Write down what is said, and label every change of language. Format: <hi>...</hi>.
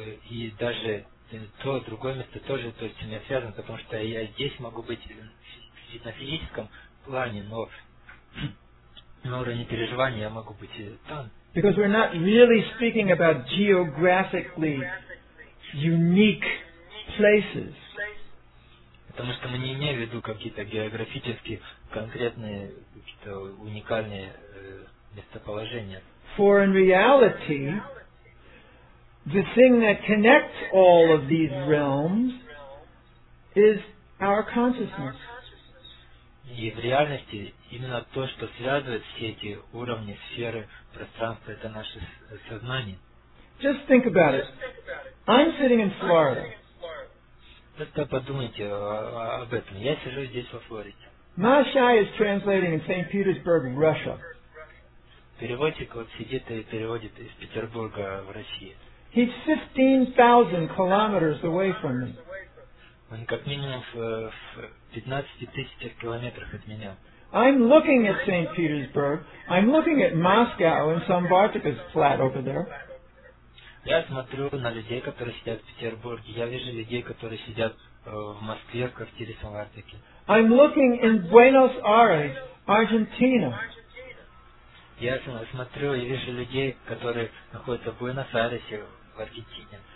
<ru>И даже то другое место тоже то, с чем я связан, потому что я здесь могу быть на физическом плане, но на уровне переживания я могу быть там.</ru> <en>Because we're not really speaking about geographically unique places.</en> <ru>Потому что мы не имеем в виду какие-то географически конкретные какие-то уникальные местоположения.</ru> <en>For in reality, the thing that connects all of these realms is our consciousness.</en> <ru>И в реальности именно то, что связывает все эти уровни, сферы, пространства, это наше сознание.</ru> <en>Just think about it. I'm sitting in Florida.</en> <ru>Просто подумайте об этом. Я сижу здесь во Флориде.</ru> <en>Mashai is translating in St. Petersburg, Russia.</en> <ru>Переводчик вот сидит и переводит из Петербурга в России.</ru> <en>He's 15,000 kilometers away from me.</en> <ru>Он как минимум в 15,000 километрах от меня.</ru> <en>I'm looking at St. Petersburg. I'm looking at Moscow and some Bartikas flat over there.</en> <ru>Я смотрю на людей, которые сидят в Петербурге. Я вижу людей, которые сидят в Москве, в квартире Самартики.</ru> <en>I'm looking in Buenos Aires, Argentina.</en> <ru>Я смотрю и вижу людей, которые находятся в Буэнос-Айресе, в Аргентине.</ru>